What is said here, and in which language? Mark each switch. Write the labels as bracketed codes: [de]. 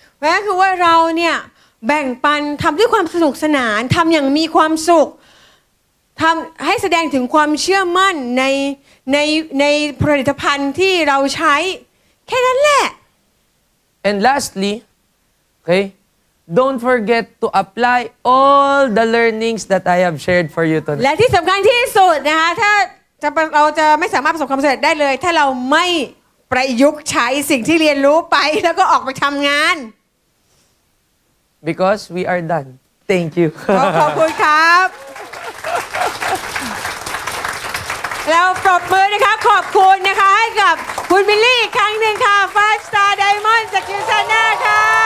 [th] แปลคือว่าเราเนี่ยแบ่งปันทำด้วยความสนุกสนานทำอย่างมีความสุขทำให้แสดงถึงความเชื่อมั่นในผลิตภัณฑ์ที่เราใช้แค่นั้นแหละ [en] And lastly, okay, don't forget to apply all the learnings that I have shared for you tonight. [th] และที่สำคัญที่สุดนะคะถ้าเราจะไม่สามารถประสบความสำเร็จได้เลยถ้าเราไม่ประยุกต์ใช้สิ่งที่เรียนรู้ไปแล้วก็ออกไปทำงาน [en] because we are done. Thank you. [th] ขอบคุณครับแล้วปรบมือนะคะขอบคุณนะคะให้กับคุณบิลลี่ครั้งหนึ่งค่ะ 5 star diamond จากคิวซาน่าค่ะ